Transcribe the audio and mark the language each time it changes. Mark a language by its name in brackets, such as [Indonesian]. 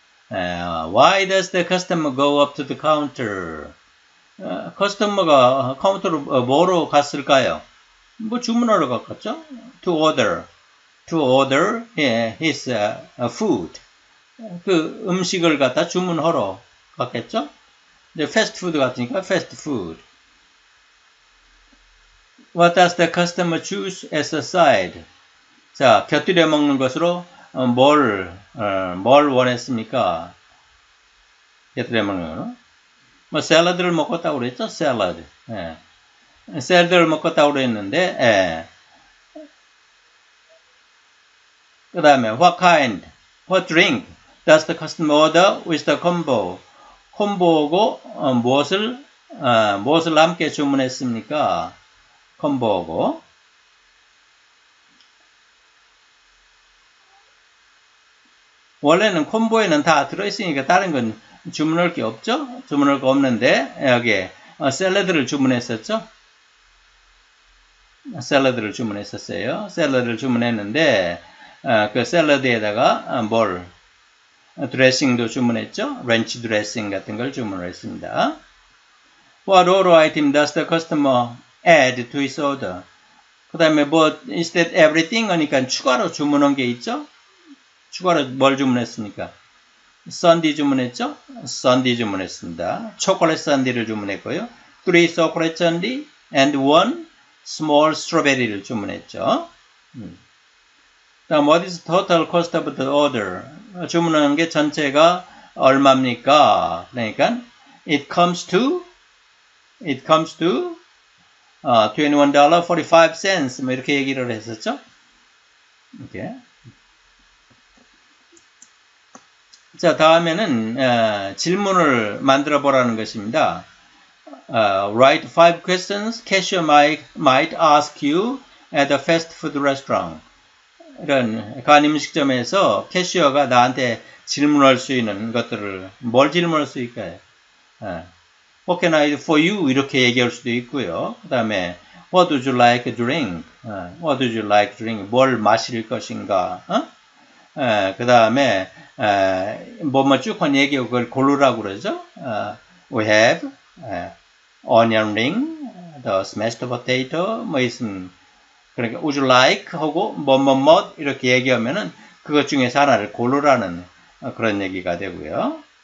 [English] Why does the customer go up to the counter? [Korean] 커스터머가 카운터로 뭐로 갔을까요? 뭐 주문하러 갔겠죠? [English] To order his food. [Korean] 그 음식을 갖다 주문하러 갔겠죠? 이제 패스트푸드 같으니까 패스트푸드. [English] What does the customer choose as a side? [Korean] 자, 곁들여 먹는 것으로 뭘 원했습니까? 곁들여 먹는 거. 뭐 샐러드를 먹었다고 그랬죠? 샐러드. 예. 샐러드를 먹었다고 그랬는데, 예. 그 다음에, [English] what kind, what drink does the customer order with the combo? [Korean] 콤보고, 무엇을 함께 주문했습니까? 콤보고. 원래는 콤보에는 다 들어있으니까 다른 건 주문할 게 없죠? 주문할 거 없는데, 여기에, 샐러드를 주문했었죠? 샐러드를 주문했었어요. 샐러드를 주문했는데, 그 샐러드에다가 뭘, 드레싱도 주문했죠? 렌치 드레싱 같은 걸 주문을 했습니다. [English] What other item does the customer add to his order? [Korean] 그 다음에 뭐, [English] instead everything [Korean] 하니까 추가로 주문한 게 있죠? 추가로 뭘 주문했습니까? 썬디 주문했죠? 썬디 주문했습니다. 초콜릿 썬디를 주문했고요. 3 초콜릿 썬디 [English] and 1 small strawberry [Korean] 를 주문했죠. [English] 다음, what is total cost of the order? [Korean] 주문한 게 전체가 얼마입니까? 그러니까, [English] it comes to, $21.45. [Korean] 뭐, 이렇게 얘기를 했었죠? 이렇게. 자, 다음에는, 질문을 만들어 보라는 것입니다. [English] Write 5 questions cashier might ask you at a fast food restaurant. [Korean] 이런 간음식점에서 캐시어가 나한테 질문할 수 있는 것들을 뭘 질문할 수 있을까요? [English] What can I do for you? [Korean] 이렇게 얘기할 수도 있고요. 그 다음에 [English] What would you like a drink? What would you like a drink? [Korean] 뭘 마실 것인가? 그 다음에 뭐뭐 쭉 한 얘기하고 그걸 고르라고 그러죠. [English] We have onion ring, the smashed potato, [Korean] 뭐 있음. 그러니까 [English] Would you like? [Korean] 하고 뭐뭐뭐 이렇게 얘기하면은 그것 중에서 하나를 고르라는 그런 얘기가 되고요.